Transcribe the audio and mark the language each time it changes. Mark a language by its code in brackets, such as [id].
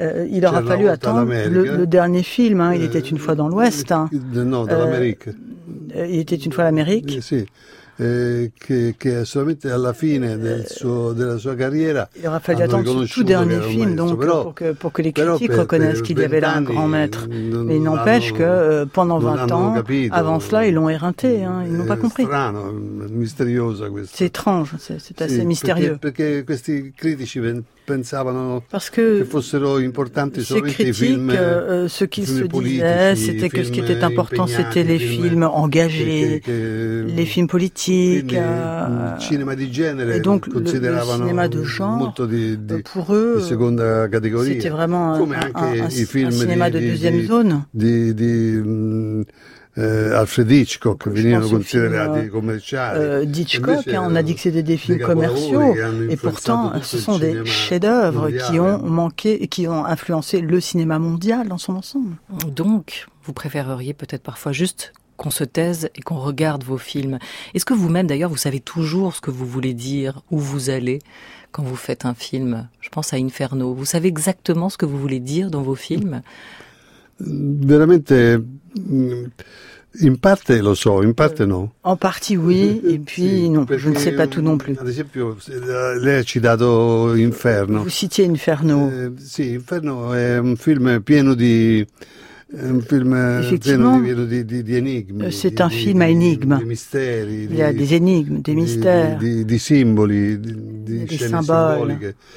[fr] Il aura fallu attendre le dernier film, hein. Il était une fois dans l'Ouest. Il était une fois l'Amérique. [it] Che solamente alla fine della sua carriera [fr] il aura fallu attendre son tout dernier film maestro, donc pour que les critiques reconnaissent qu'il y avait là un grand maître. Mais n'empêche que pendant 20 ans, avant cela, ils l'ont éreinté, hein, ils n'ont pas compris. [it] Strano, misteriosa questo. [fr] C'est étrange, c'est assez mystérieux. [it] Perché questi critici pensavano [fr] parce que [it] che fossero importanti [fr] ces critiques, ce qu'ils se disaient, c'était que ce qui était important, c'était les films engagés, les films politiques. Et donc le cinéma de genre, pour eux, c'était vraiment un cinéma de deuxième zone. [it] Alfred Hitchcock, venivano considerati commerciali. [fr] Hitchcock, on a dit que c'était des films commerciaux, et pourtant, ce sont des chefs-d'œuvre qui ont influencé le cinéma mondial dans son ensemble. Donc, vous préféreriez peut-être parfois juste qu'on se taise et qu'on regarde vos films. Est-ce que vous-même, d'ailleurs, vous savez toujours ce que vous voulez dire, où vous allez quand vous faites un film? Je pense à Inferno. Vous savez exactement ce que vous voulez dire dans vos films? [it] Veramente, in parte lo so, in parte no. [fr] En partie, oui, et puis si, non, je ne sais pas tout non plus. [it] Ad esempio, lei ha citato Inferno. [fr] Vous citiez Inferno. [it] Sì, Inferno è un film pieno di... [fr] Un film effectivement, c'est un film à énigmes. Il y a des énigmes, des mystères, des symboles, des scènes symboliques.